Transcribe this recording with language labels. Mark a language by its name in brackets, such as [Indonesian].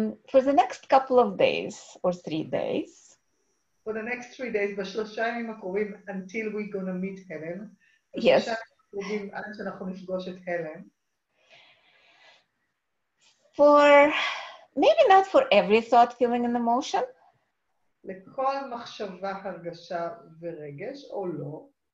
[English] For the next couple of days, or 3 days. For the next 3 days, [Hebrew] בשלושה ימים הקרובים, [English] until we're gonna meet Helen. Yes. [Hebrew] קרובים, עד שאנחנו נפגוש את Helen. [English] For, maybe not for every thought, feeling and emotion. [Hebrew] לכל מחשבה, הרגשה ורגש, או לא.